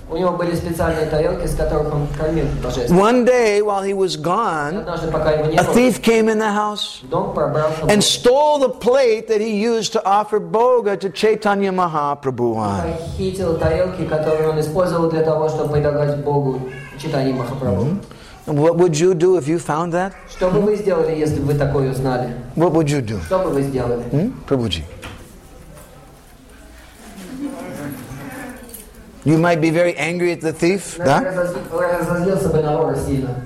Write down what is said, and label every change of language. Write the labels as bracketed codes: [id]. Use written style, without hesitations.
[en] One day while he was gone, a thief came in the house and stole the plate that he used to offer bhoga to Chaitanya Mahaprabhu. Mahaprabhu. What would you do if you found that? [ru] Что бы вы сделали, если бы вы такое узнали? [en] What would you do? [ru] Что бы вы сделали? [en] Prabhuji. You might be very angry at the thief, да? [ru] Разозлился бы на вора сильно.